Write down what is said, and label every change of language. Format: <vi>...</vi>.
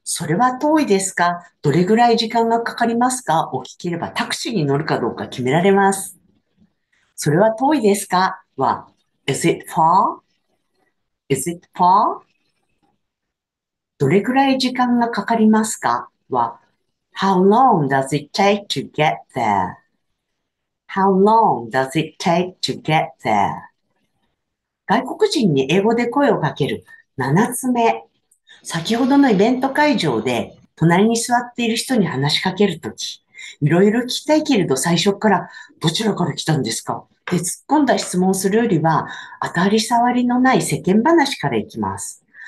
<ja>それは遠いですか？どれぐらい時間がかかりますか？お聞ければタクシーに乗るかどうか決められます。それは遠いですか？は、</ja> <en>Is it far? Is it far?</en> <ja>どれぐらい時間がかかりますか？</ja> <en>は、How long does it take to get there? How long does it take to get there?</en> <ja>外国人に英語で声をかける7つ目。先ほどのイベント会場で、隣に座っている人に話しかけるとき、いろいろ聞きたいけれど最初から、どちらから来たんですか？って突っ込んだ質問をするよりは、当たり障りのない世間話からいきます。</ja>